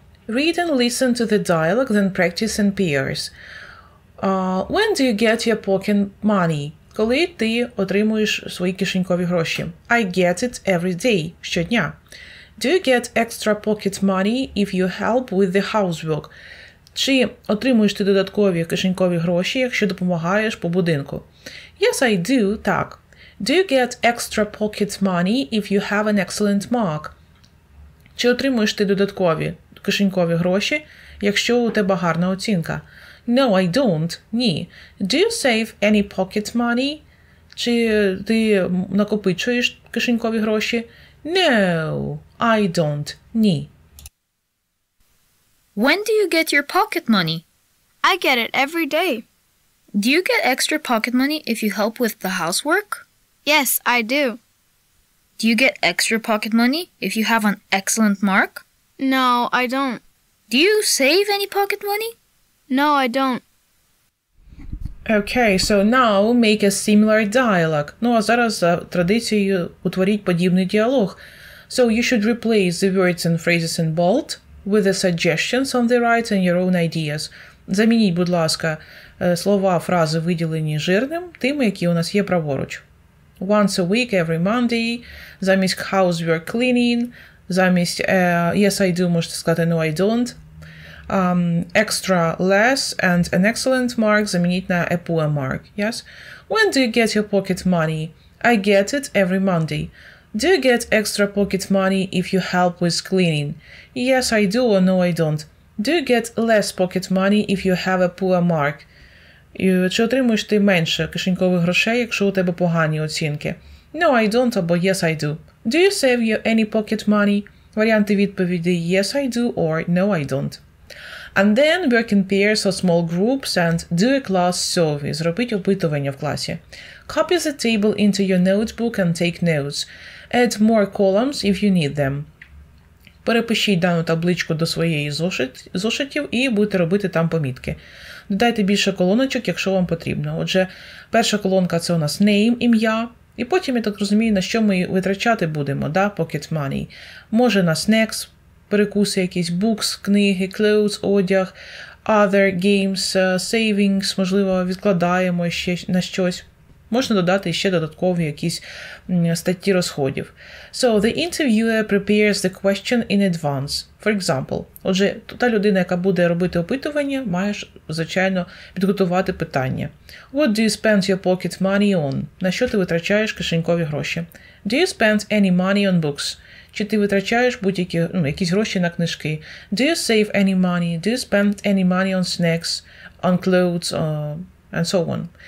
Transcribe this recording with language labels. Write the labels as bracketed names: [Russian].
[English] Read and listen to the dialogue, then practice in pairs. When do you get your pocket money? [Ukrainian] Коли ти отримуєш свої кишенькові гроші? [English] I get it every day, [Ukrainian] щодня. [English] Do you get extra pocket money if you help with the housework? [Ukrainian] Чи отримуєш ти додаткові кишенькові гроші, якщо допомагаєш по будинку? [English] Yes, I do, [Ukrainian] так. [English] Do you get extra pocket money if you have an excellent mark? [Ukrainian] Чи отримуєш ти додаткові кишенькові гроші, якщо у тебе гарна оцінка? [English] No, I don't. [Ukrainian] Ні. [English] Do you save any pocket money? [Ukrainian] Чи ти накопичуєш кишенькові гроші? [English] No, I don't. [Ukrainian] Ні. [English] When do you get your pocket money? I get it every day. Do you get extra pocket money if you help with the housework? Yes, I do. Do you get extra pocket money if you have an excellent mark? No, I don't. Do you save any pocket money? No, I don't. Okay, so now make a similar dialogue. [Ukrainian] Ну, а зараз за традицією утворіть подібний діалог. [English] So you should replace the words and phrases in bold with the suggestions on the right and your own ideas. [Ukrainian] Замініть, будь ласка, слова, фрази, виділені жирним, тими, які у нас є праворуч. [English] Once a week, every Monday, [Ukrainian] замість [English] housework cleaning, замість yes, I do, [Ukrainian] можете сказати, [English] no, I don't. Extra less and an excellent mark, [Ukrainian] замініть на [English] a poor mark, yes? When do you get your pocket money? I get it every Monday. Do you get extra pocket money if you help with cleaning? Yes, I do, or no, I don't. Do you get less pocket money if you have a poor mark? [Ukrainian] Чи отримуєш ти менше кишенькових грошей, якщо у тебе погані оцінки? [English] No, I don't, [Ukrainian] або [English] yes, I do. Do you save you any pocket money? [Ukrainian] Варіанти відповіді [English] yes, I do, or no, I don't. And then work in pairs or small groups and do a class survey. [Ukrainian] Зробіть опитування в класі. [English] Copy the table into your notebook and take notes. Add more columns if you need them. [Ukrainian] Перепишіть дану табличку до своєї зошитів і будете робити там помітки. Додайте більше колоночок, якщо вам потрібно. Отже, перша колонка – це у нас name, ім'я. І потім, я так розумію, на що ми витрачати будемо, да, pocket money. Може на snacks, перекуси якісь, books, книги, clothes, одяг, other games, savings, можливо, відкладаємо ще на щось. Можна додати ще додаткові якісь статті розходів. [English] So, the interviewer prepares the question in advance. For example, [Ukrainian] отже, та людина, яка буде робити опитування, маєш, звичайно, підготувати питання. [English] What do you spend your pocket money on? [Ukrainian] На що ти витрачаєш кишенькові гроші? [English] Do you spend any money on books? [Ukrainian] Чи ти витрачаєш будь-які, ну, якісь гроші на книжки? [English] Do you save any money? Do you spend any money on snacks, on clothes, and so on?